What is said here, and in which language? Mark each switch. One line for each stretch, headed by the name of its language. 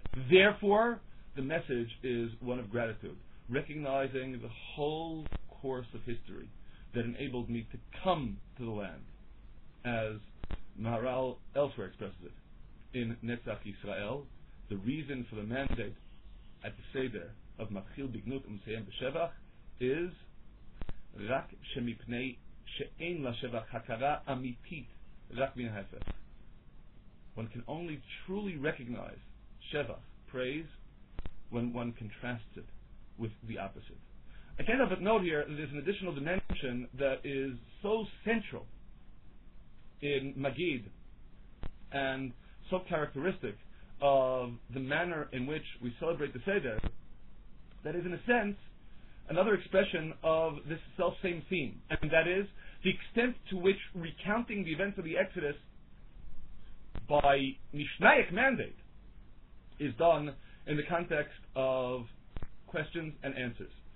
English: Therefore, the message is one of gratitude, recognizing the whole course of history that enabled me to come to the land, as Maharal elsewhere expresses it in Netzach Yisrael, the reason for the mandate at the Seder of Matchil Bignut Umaseyem B'Shevach is
Hebrew: רק שמפני שאין לשבח הכרה אמיתית רק מן ההפך.
English: One can only truly recognize shevach, praise, when one contrasts it with the opposite. I can't help but note here that there's an additional dimension that is so central in Magid and so characteristic of the manner in which we celebrate the Seder, that is in a sense another expression of this self-same theme, and that is the extent to which recounting the events of the Exodus by Mishnaic mandate is done in the context of questions and answers.